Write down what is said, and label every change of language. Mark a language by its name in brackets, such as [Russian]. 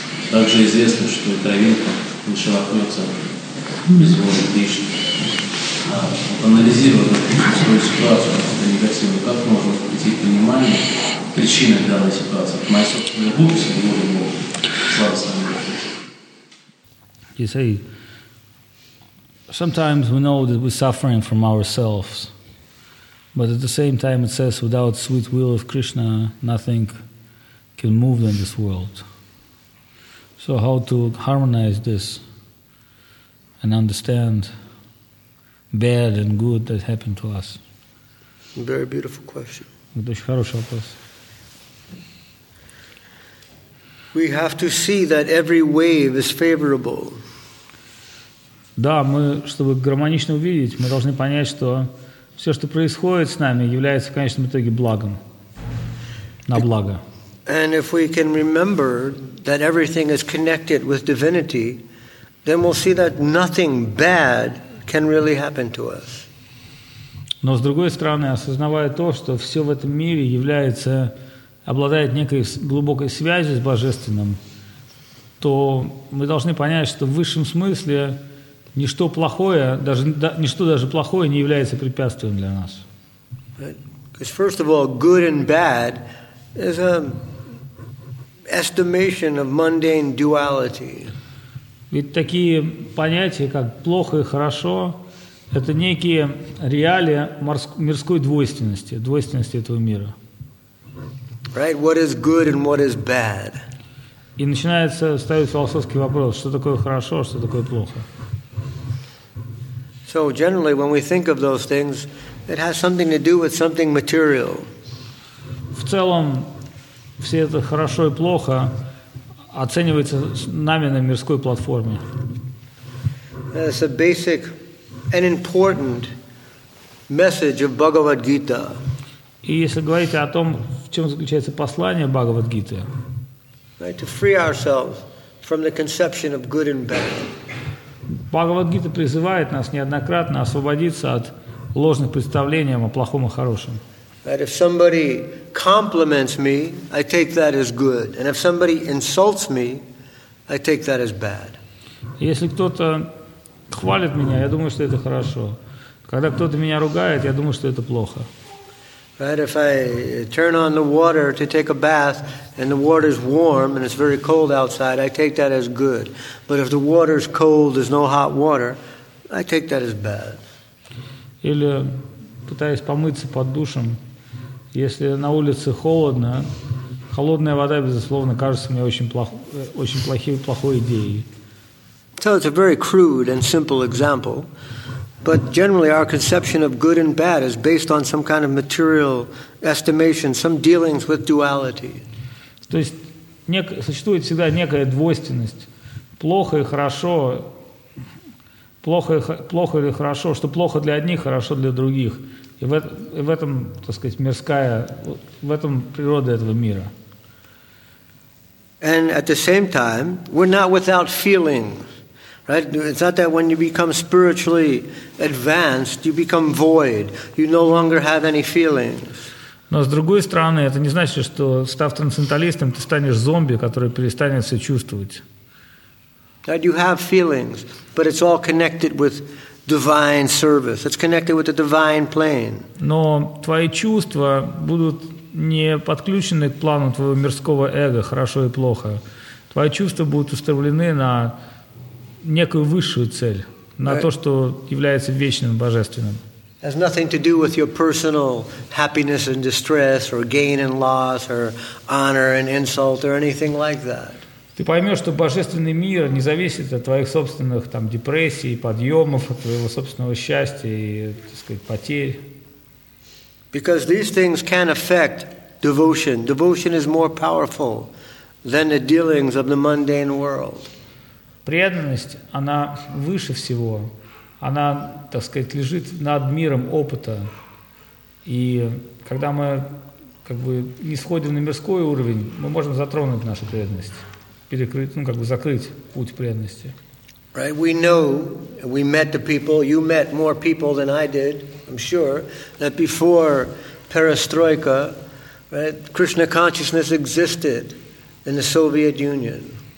[Russian] Также известно, что и травинка не шелохнется без воли Кришны. Анализируя свою ситуацию, какую-то негативную, как можно прийти к пониманию причины данной ситуации? Моя собственная глупость или воля Бога? Слава Самому. [English] You see, sometimes we know that we're suffering from ourselves, but at the same time it says, without sweet will of Krishna, nothing can move in this world. So how to harmonize this and understand bad and good that happened to us? Very beautiful question. [Russian] Очень хороший вопрос. [English] We have to see that every wave is favorable. [Russian] Да, мы, чтобы гармонично увидеть, мы должны понять, что все, что происходит с нами, является в конечном итоге благом, на благо. [English] And if we can remember that everything is connected with divinity, then we'll see that nothing bad can really happen to us. [Russian] Но с другой стороны, осознавая то, что все в этом мире является, обладает некой глубокой связью с Божественным, то мы должны понять, что в высшем смысле ничто плохое, даже ничто даже плохое не является препятствием для нас. [English] Because first of all, good and bad is an estimation of mundane duality. [Russian] Ведь такие понятия, как плохо и хорошо, это некие реалии мирской двойственности, двойственности этого мира. [English] Right? What is good and what is bad? [Russian] И начинается ставить философский вопрос: что такое хорошо, что такое плохо? [English] So generally, when we think of those things, it has something to do with something material. [Russian] В целом, все это хорошо и плохо оценивается нами на мирской платформе. [English] It's a basic and important message of Bhagavad Gita. [Russian] И если говорить о том, в чем заключается послание Бхагавад Гиты, [English] to free ourselves from the conception of good and bad. [Russian] Бхагавад-гита призывает нас неоднократно освободиться от ложных представлений о плохом и хорошем. [English] That if somebody compliments me, I take that as good. And if somebody insults me, I take that as bad. [Russian] Если кто-то хвалит меня, я думаю, что это хорошо. Когда кто-то меня ругает, я думаю, что это плохо. [English] Right, if I turn on the water to take a bath and the water is warm and it's very cold outside, I take that as good. But if the water is cold, there's no hot water, I take that as bad. [Russian] Или пытаясь помыться под душем, если на улице холодно, холодная вода, безусловно, кажется мне очень плохой идеей. [English] So it's a very crude and simple example. But generally, our conception of good and bad is based on some kind of material estimation, some dealings with duality. [Russian] То есть существует всегда некая двойственность. Плохо и хорошо, плохо или хорошо, что плохо для одних, хорошо для других. И в этом, так сказать, мирская, в этом природа этого мира. [English] And at the same time, we're not without feeling. Right? It's not that when you become spiritually advanced, you become void. You no longer have any feelings. [Russian] Но с другой стороны, это не значит, что став трансценденталистом, ты станешь зомби, который перестанет все чувствовать. [English] That you have feelings, but it's all connected with divine service. It's connected with the divine plane. [Russian] Но твои чувства будут не подключены к плану твоего мирского эго, хорошо и плохо. Твои чувства будут установлены на некую высшую цель, на [English] right. [Russian] То, что является вечным, божественным. [English] Has nothing to do with your personal happiness and distress, or gain and loss, or honor and insult, or anything like that. [Russian] Ты поймешь, что божественный мир не зависит от твоих собственных там депрессий, подъемов, от твоего собственного счастья и, так сказать, потерь. [English] Because these things can affect devotion. Devotion is more powerful than the dealings of the mundane world. [Russian] Преданность, она выше всего, она, так сказать, лежит над миром опыта. И когда мы как бы не сходим на мирской уровень, мы можем затронуть нашу преданность, перекрыть, ну, как бы закрыть путь преданности. [English] Right, we know, we met the people, you met more people than I did, I'm sure, that before perestroika, right, Krishna consciousness existed in the Soviet Union.